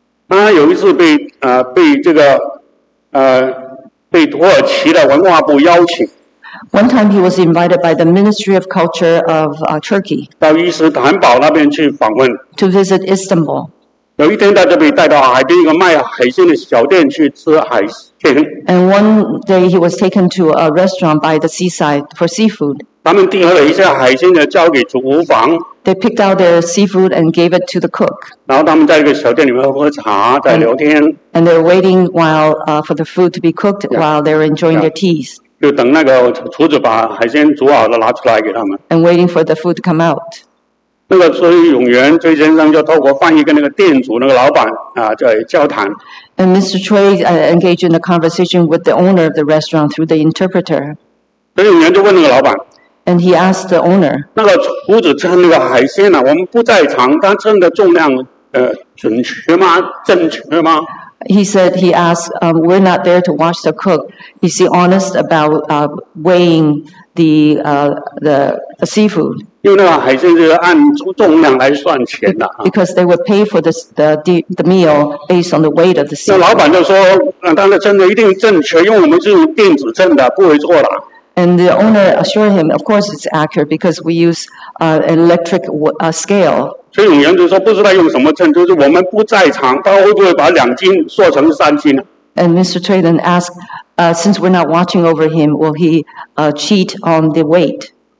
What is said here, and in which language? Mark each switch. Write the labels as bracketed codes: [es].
[zh] 他有一次被土耳其的文化部邀请。 [en] One time he was invited by the Ministry of Culture of Turkey. [zh] 到伊斯坦堡那边去访问。 [en] To visit Istanbul. [zh] 有一天他就被带到海边一个卖海鲜的小店去吃海鲜。 [en] And one day he was taken to a restaurant by the seaside for seafood. [zh] 他们订好了一些海鲜的交给厨房。 [en] They picked out their seafood and gave it to the cook. [zh] 然后他们在一个小店里面喝茶，在聊天。 [en] And they're waiting while for the food to be cooked while they're enjoying their teas. [zh] 就等那个厨子把海鲜煮好了拿出来给他们。 [en] And waiting for the food to come out. [zh] 那个崔永元崔先生就透过翻译跟那个店主那个老板在交谈。 [en] And Mr. Cui engaged in a conversation with the owner of the restaurant through the interpreter. [zh] 崔永元就问那个老板。 [en] And he asked the owner. [zh] 那个厨子称那个海鲜呢、啊？我们不在场，他称的重量准确吗？正确吗 [en] He said, he asked, we're not there to watch the cook. Is he honest about weighing the seafood? [zh] 因为那个海鲜就按重量来算钱的, [en] because they would pay for the meal based on the weight of the seafood. [zh] 那老板就说, 当然真的一定正确, 因为我们是电子秤的, 不会错的。 [en] And the owner assured him, of course it's accurate because we use an electric scale. [zh] 所以女人就说不知道用什么秤，就是我们不在场，他会不会把两斤说成三斤？ [en] And Mr. Choi then asked, since we're not watching over him, will he cheat on the weight?